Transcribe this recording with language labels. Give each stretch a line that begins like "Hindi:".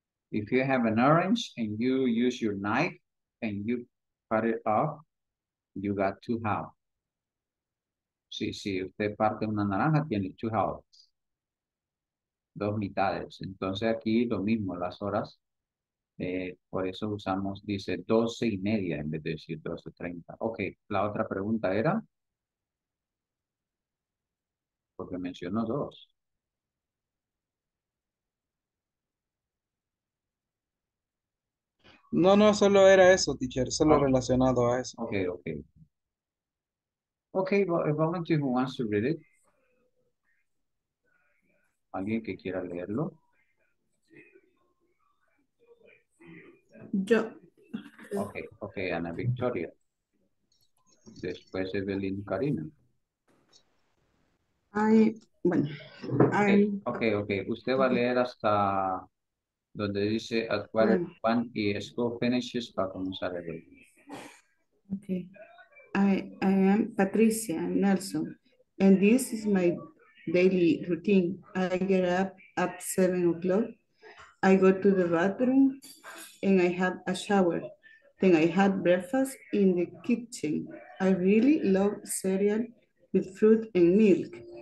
English: If you have an orange and you use your knife and you cut it off, you got two halves.
Spanish: Sí, sí, usted parte una naranja, tiene
English: two halves.
Spanish: Dos mitades. Entonces aquí lo mismo, las horas. Por eso usamos, dice 12:30 en vez de decir 12:30. Ok, la otra pregunta era. Porque mencionó dos. No, no, solo era eso, teacher. Solo okay. Relacionado a eso.
English: Ok, ok. Ok, volunteer who wants to read it.
Spanish: ¿Alguien que quiera leerlo? Yo. Ok, ok, Ana Victoria. Después Evelyn Karina. Okay. Usted va a leer hasta donde dice
English: at quarter one
Spanish: y
English: school finishes
Spanish: para comenzar el día. Okay.
English: I am Patricia Nelson and this is my daily routine. I get up at 7 o'clock. I go to the bathroom and I have a shower. Then I have breakfast in the kitchen. I really love cereal with fruit and milk.